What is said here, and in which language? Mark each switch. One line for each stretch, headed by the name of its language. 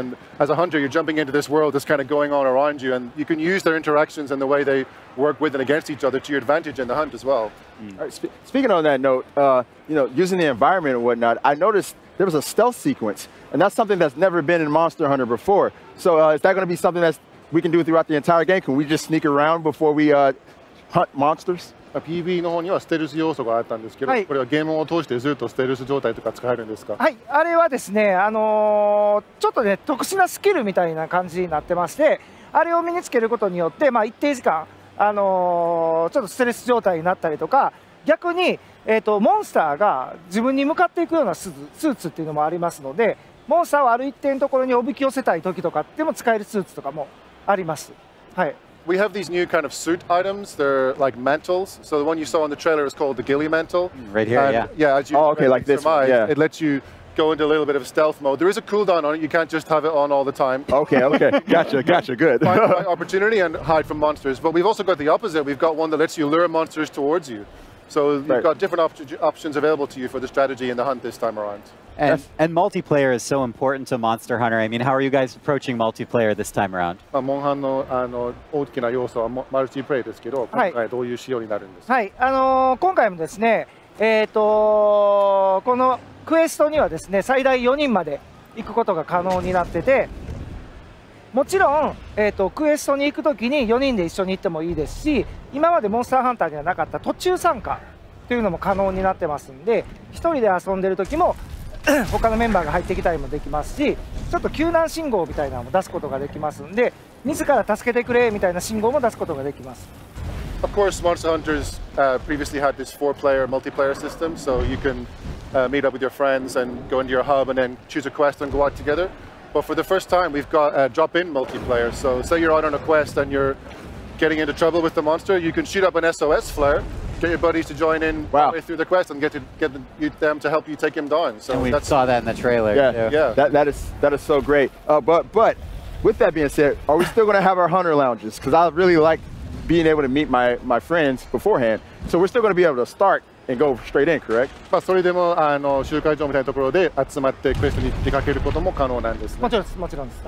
English: And as a hunter, you're jumping into this world that's kind of going on around you, and you can use their interactions and the way they work with and against each other to your advantage in the hunt as well. Mm. All right, speaking on that note, using the environment and whatnot, I noticed there was a stealth sequence, and that's something that's never been in Monster Hunter before. So is that gonna be something that we can do throughout the entire game? Can we just sneak around before we hunt monsters?
Japanese: PV の方にはステルス要素があったんですけど、はい、これはゲームを通してずっとステルス状態とか使えるんですか？はい、あれはですね、ちょっとね、特殊なスキルみたいな感じになってまして、あれを身につけることによって、まあ、一定時間、ちょっとステルス状態になったりとか、逆に、モンスターが自分に向かっていくようなスーツっていうのもありますので、モンスターをある一定のところにおびき寄せたい時とかでも使えるスーツとかもあります。はい。
English: We have these new kind of suit items. They're like mantles. So the one you saw on the trailer is called the Ghillie Mantle. Right here, and yeah. Yeah, as you surmise, yeah. It lets you go into a little bit of stealth mode. There is a cooldown on it. You can't just have it on all the time. Okay. Gotcha, good. Find opportunity and hide from monsters. But we've also got the opposite. We've got one that lets you lure monsters towards you. So you've got different options available to you for the strategy in the hunt this time around. And multiplayer is so important to Monster Hunter. I mean, how are you guys approaching multiplayer this time around?
Japanese: モンハンの大きな要素はマルチプレイですけど、今回どういう仕様になるんですか？はい、今回もですね、このクエストにはですね、最大4人まで行くことが可能になってて、もちろん、クエストに行くときに4人で一緒に行ってもいいですし、今までモンスターハンターにはなかった途中参加というのも可能になってますんで、1人で遊んでる時も他のメンバーが入ってきたりもできますし、ちょっと救難信号みたいなのも出すことができますので、自ら助けてくれみたいな信号も出すことができます。
English: Of course, Monster Hunters、previously had this four-player multiplayer system, so you can、meet up with your friends and go into your hub and then choose a quest and go out together. But for the first time, we've got a drop-in multiplayer. So say you're out on a quest and you're getting into trouble with the monster, you can shoot up an SOS flare. Get your buddies to join in way through the quest and get them to help you take him down. So and we saw that in the trailer. Yeah, that is so great. But with that being said, are we still going to have our hunter lounges? Because I really like being able to meet my friends beforehand. So we're still going to be able to start and go straight in, correct?
Japanese: まあそれでもあの集会場みたいなところで集まってクエストに出かけることも可能なんですね。もちろんです、もちろんです。